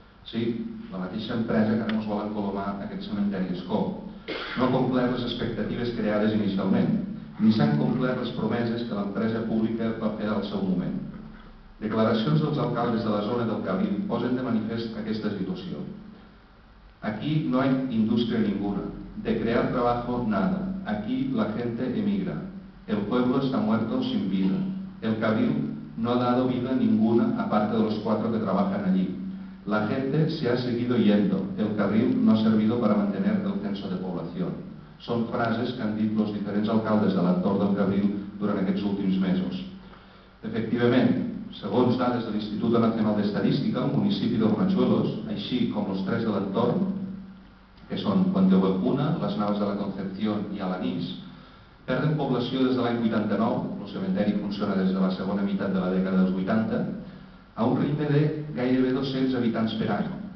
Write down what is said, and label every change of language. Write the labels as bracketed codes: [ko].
[ca] Sí, la mateixa empresa que ara ens volen colomar aquest cementeri Escó. No ha complert les expectatives creades inicialment ni s'han complert les promeses que l'empresa pública va fer al seu moment. Declaracions dels alcaldes de la zona del Cabí posen de manifest aquesta situació. [es] Aquí no hay industria ninguna, de crear trabajo nada, aquí la gente emigra, el pueblo está muerto sin vida, el Cabil no ha dado vida ninguna aparte de los cuatro que trabajan allí, la gente se ha seguido yendo, el Cabil no ha servido para mantener el censo de población. [ca] Són frases que han dit els diferents alcaldes de l'entorn del Cabil durant aquests últims mesos. Efectivament, segons dades de l'Institut Nacional d'Estadística, el municipi de Hornachuelos, així com els tres de l'entorn, que són Puente Huecuna, Las Navas de la Concepción i Alanís, perden població des de l'any 89, el cementeri funciona des de la segona meitat de la dècada dels 80, a un ritme de gairebé 200 habitants per any.